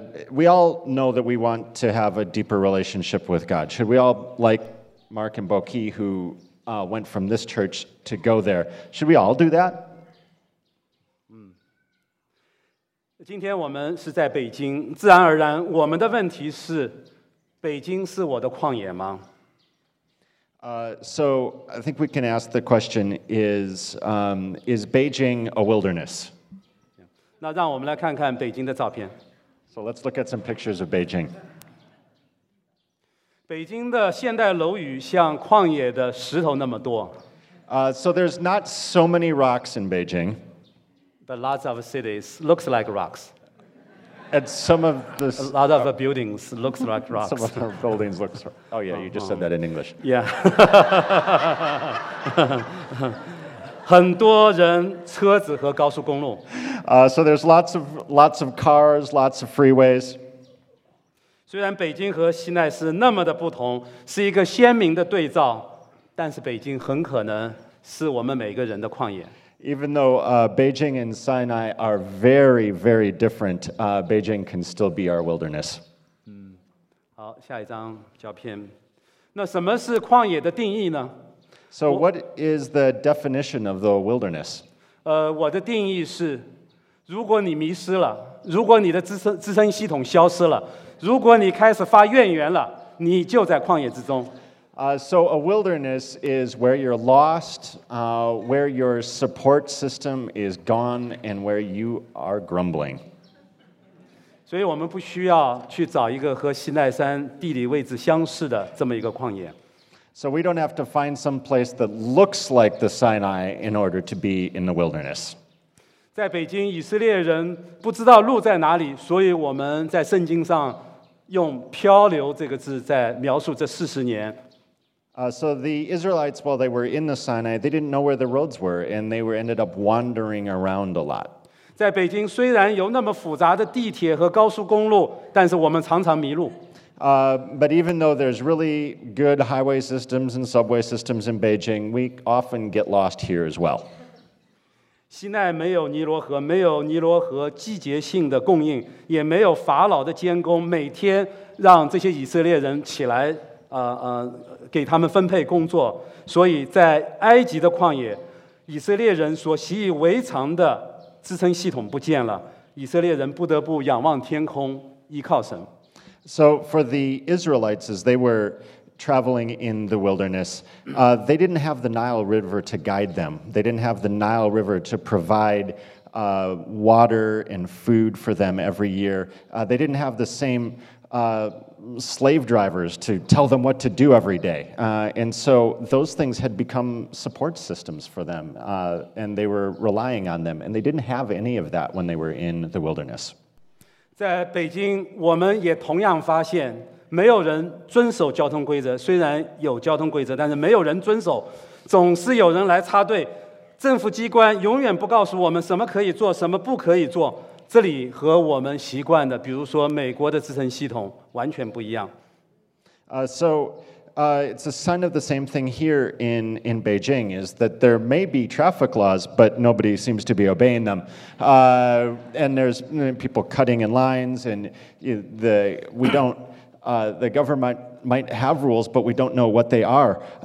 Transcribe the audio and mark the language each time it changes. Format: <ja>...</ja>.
<en>We all know that we want to have a deeper relationship with God. Should we all like Mark and Bukhi who went from this church to go there? Should we all do that?</en> <zh>今天我们是在北京，自然而然，我们的问题是北京是我的旷野吗？</zh> <en>So I think we can ask the question: Is Beijing a wilderness?</en> <zh>那让我们来看看北京的照片。</zh> <en>So let's look at some pictures of Beijing.</en> <zh>北京的现代楼宇像旷野的石头那么多。</zh> <en>So there's not so many rocks in Beijing. But lots of cities looks like rocks. And some of the... A lot of buildings look like rocks. Some of our buildings look... Oh, yeah, you just said that in English. Yeah.</en> <zh>很多人车子和高速公路。</zh> <en>So there's lots of cars, lots of freeways.</en> <zh>虽然北京和西奈是那么的不同，是一个鲜明的对照，但是北京很可能是我们每个人的旷野。</zh> <en>Even though Beijing and Sinai are very, very different, Beijing can still be our wilderness.</en> <zh>好，下一张照片。那什么是旷野的定义呢？</zh> <en>So what is the definition of the wilderness?</en> <zh>我的定义是，如果你迷失了，如果你的支撑系统消失了，如果你开始发怨言了，你就在旷野之中。</zh> <en>So a wilderness is where you're lost, where your support system is gone, and where you are grumbling. So we don't need to find a place with a similar location to the Sinai Mountain. So we don't have to find some place that looks like the Sinai in order to be in the wilderness. In Beijing, Israelites don't know where the road is, so we use the word "wander" in the Bible to describe these 40 years. So the Israelites, while they were in the Sinai, they didn't know where the roads were, and they ended up wandering around a lot.</en> <zh>在北京虽然有那么复杂的地铁和高速公路，但是我们常常迷路。</zh> <en>But even though there's really good highway systems and subway systems in Beijing, we often get lost here as well.</en> <zh>西奈没有尼罗河，没有尼罗河季节性的供应，也没有法老的监工，每天让这些以色列人起来给他们分配工作，所以在埃及的旷野，以色列人所习以为常的支撑系统不见了，以色列人不得不仰望天空，依靠神。</zh> <en>So for the Israelites, as they were traveling in the wilderness, they didn't have the Nile River to guide them. They didn't have the Nile River to provide water and food for them every year. They didn't have the same slave drivers to tell them what to do every day. And so those things had become support systems for them, and they were relying on them, and they didn't have any of that when they were in the wilderness.</en> <zh>在北京，我们也同样发现，没有人遵守交通规则，虽然有交通规则，但是没有人遵守，总是有人来插队，政府机关永远不告诉我们什么可以做，什么不可以做。这里和我们习惯的，比如说美国的支撑系统完全不一样。</zh> <en>It's a sign of the same thing here in Beijing, is that there may be traffic laws, but nobody seems to be obeying them. And there's people cutting in lines, and the government might have rules, but we don't know what they are.</en>